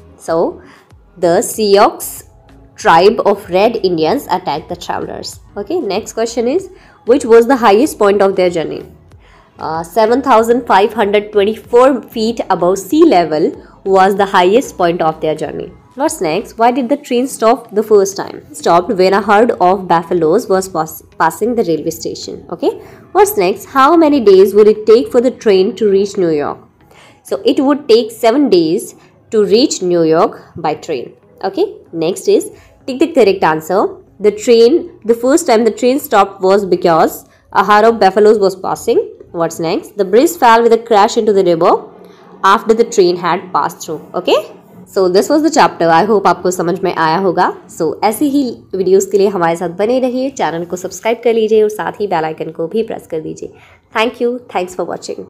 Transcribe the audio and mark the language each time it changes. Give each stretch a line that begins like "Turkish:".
English: So the Sioux tribe of red Indians attack the travellers. Okay next question is which was the highest point of their journey? 7,524 feet above sea level was the highest point of their journey. What's next? Why did the train stop the first time? Stopped when a herd of buffaloes was passing the railway station. Okay. What's next? How many days would it take for the train to reach New York? So it would take 7 days to reach New York by train. Okay. Next is take the correct answer. The first time the train stopped was because a herd of buffaloes was passing. What's next? The bridge fell with a crash into the river after the train had passed through. Okay. So this was the chapter,
Hindi: I hope आपको समझ में आया होगा। सो ऐसे ही videos के लिए हमारे साथ बने रहिए, चैनल को सब्सक्राइब कर लीजिए और साथ ही बेल आइकन को भी प्रेस कर दीजिए।
English: Thank you, thanks for watching.